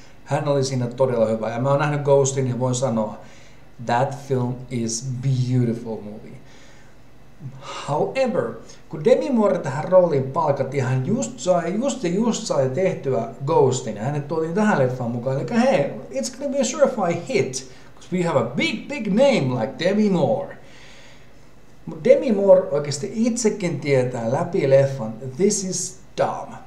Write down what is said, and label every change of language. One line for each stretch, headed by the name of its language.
Finnish: Hän oli siinä todella hyvä. Ja mä oon nähnyt Ghostin ja voin sanoa,
English: that film is beautiful movie.
Finnish: However, kun Demi Moore tähän rooliin palkattiin, hän just sai tehtyä Ghostin ja hänet tuotiin tähän leffaan mukaan. Eli hei,
English: it's gonna be a surefire hit, because we have a big name like Demi Moore.
Finnish: Mutta Demi Moore oikeasti itsekin tietää läpi leffan,
English: this is dumb.